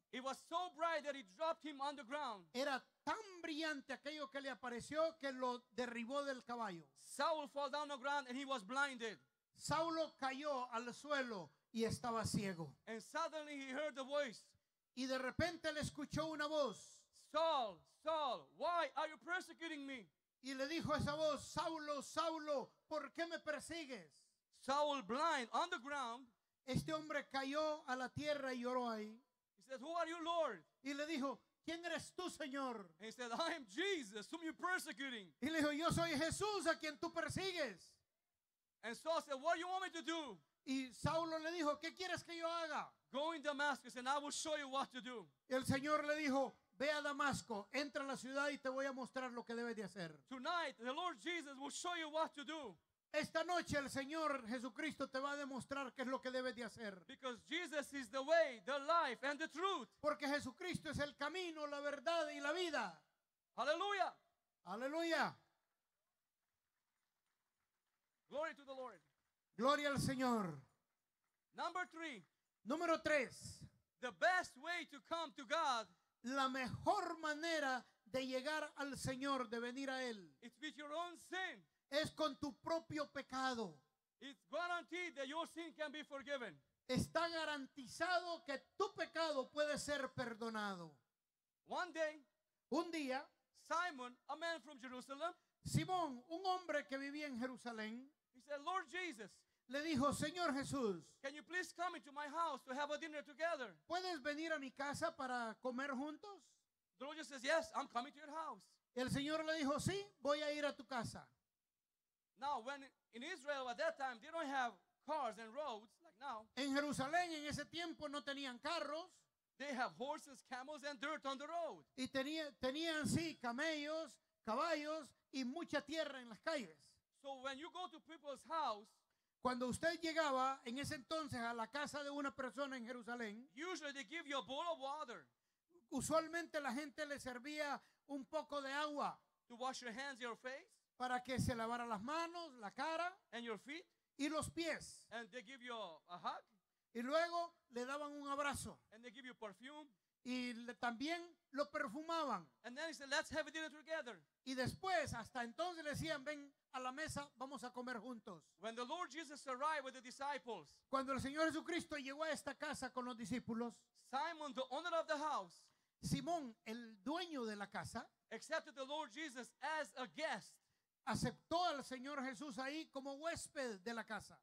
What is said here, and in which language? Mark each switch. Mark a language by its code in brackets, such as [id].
[en] it was so bright that it dropped him on the ground. [es] Era tan brillante aquello que le apareció que lo derribó del caballo. [en] Saul fell down the ground and he was blinded. [es] Saulo cayó al suelo y estaba ciego. [en] And suddenly he heard the voice. [es] Y de repente le escuchó una voz. [en] Saul, Saul, why are you persecuting me? [es] Y le dijo esa voz, Saulo, Saulo, ¿por qué me persigues? [en] Saul blind on the ground. [es] Este hombre cayó a la tierra y lloró ahí. [en] He said, who are you, Lord? [es] Y le dijo, ¿quién eres tú, Señor? [en] And he said, I am Jesus, whom you're persecuting. [es] Y le dijo, yo soy Jesús a quien tú persigues. [en] And Saul said, "What do you want me to do?" [es] Y Saulo le dijo, ¿qué quieres que yo haga? [en] Go in Damascus and I will show you what to do. [es] El Señor le dijo, ve a Damasco, entra a la ciudad y te voy a mostrar lo que debes de hacer. [en] Tonight, the Lord Jesus will show you what to do. [es] Esta noche el Señor Jesucristo te va a demostrar qué es lo que debes de hacer. [en] Because Jesus is the way, the life, and the truth. [es] Porque Jesucristo es el camino, la verdad y la vida. [en] Aleluya. [es] Aleluya. [en] Glory to the Lord. [es] Gloria al Señor. [en] Number three. [es] Número tres. [en] The best way to come to God. [es] La mejor manera de llegar al Señor, de venir a Él. [en] It's with your own sin. [es] Es con tu propio pecado. [en] It's guaranteed that your sin can be forgiven. [es] Está garantizado que tu pecado puede ser perdonado. [en] One day. [es] Un día. [en] Simon, a man from Jerusalem. [es] Simón, un hombre que vivía en Jerusalén. [en] He said, "Lord Jesus, [es] le dijo, Señor Jesús, [en] can you please come into my house to have a dinner together? [es] ¿Puedes venir a mi casa para comer juntos?" [en] The Lord says, "Yes, I'm coming to your house." [es] El Señor le dijo, "Sí, voy a ir a tu casa." [en] Now, when in Israel at that time they don't have cars and roads like now. [es] En Jerusalén en ese tiempo no tenían carros. [en] They have horses, camels, and dirt on the road. [es] Y tenían sí camellos, caballos y mucha tierra en las calles. [en] So when you go to people's house, [es] cuando usted llegaba en ese entonces a la casa de una persona en Jerusalén, [en] usually they give you a bowl of water. [es] Usualmente la gente le servía un poco de agua [en] to wash your hands and your face, [es] para que se lavara las manos, la cara, [en] and your feet, [es] y los pies. [en] And they give you a hug. [es] Y luego le daban un abrazo. [en] And they give you perfume. [es] Y también lo perfumaban. [en] And then he said, "Let's have a dinner together." [es] Y después, hasta entonces, le decían, "Ven a la mesa, vamos a comer juntos." [en] When the Lord Jesus arrived with the disciples, [es] cuando el Señor Jesucristo llegó a esta casa con los discípulos, [en] Simon, the owner of the house, [es] Simón, el dueño de la casa, [en] accepted the Lord Jesus as a guest. [es] Aceptó al Señor Jesús ahí como huésped de la casa.